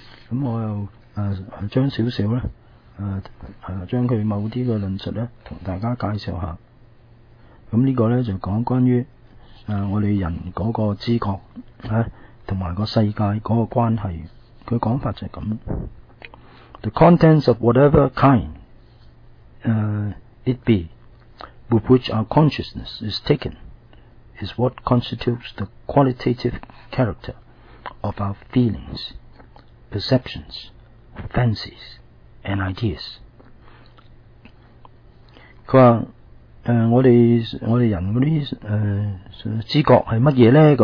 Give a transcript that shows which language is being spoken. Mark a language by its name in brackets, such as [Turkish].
[Cantonese] 咁我又將少少咧，將佢某啲嘅論述咧，同大家介紹下。咁呢個咧就講關於我哋人嗰個知覺啊，同埋個世界嗰個關係。佢講法就係咁。 [English] The contents of whatever kind, it be, with which our consciousness is taken, is what constitutes the qualitative character of our feelings, perceptions, fancies, and ideas. [Cantonese] 佢話：我哋人嗰啲知覺係乜嘢咧？